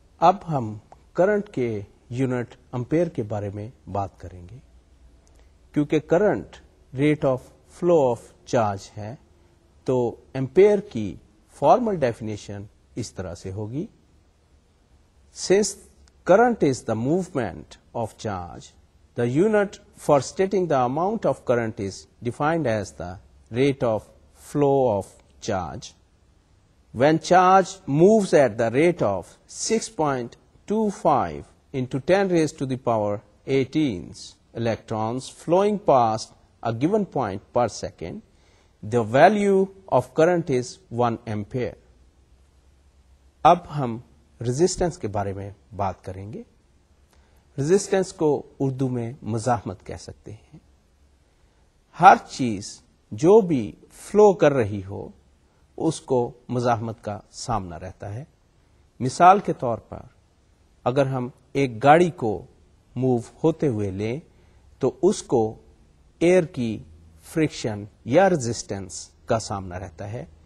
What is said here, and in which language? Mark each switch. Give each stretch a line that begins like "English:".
Urdu: اب ہم کرنٹ کے یونٹ امپیئر کے بارے میں بات کریں گے. کیونکہ current
English: rate of flow of charge
Urdu: ہے تو امپیئر کی فارمل ڈیفینیشن اس طرح سے ہوگی.
English: Since current is the movement of charge, the unit for stating the amount of current is defined as the rate of flow of charge. When charge moves at the rate of 6.25 into 10 raise to the power 18 electrons flowing past a given point per second, the value of current is 1 ampere.
Urdu: اب ہم resistance کے بارے میں بات کریں گے. Resistance کو اردو میں مزاحمت کہہ سکتے ہیں. ہر چیز جو بھی فلو کر رہی ہو اس کو مزاحمت کا سامنا رہتا ہے. مثال کے طور پر اگر ہم ایک گاڑی کو موو ہوتے ہوئے لیں تو اس کو ایئر کی فرکشن یا رزسٹنس کا سامنا رہتا ہے.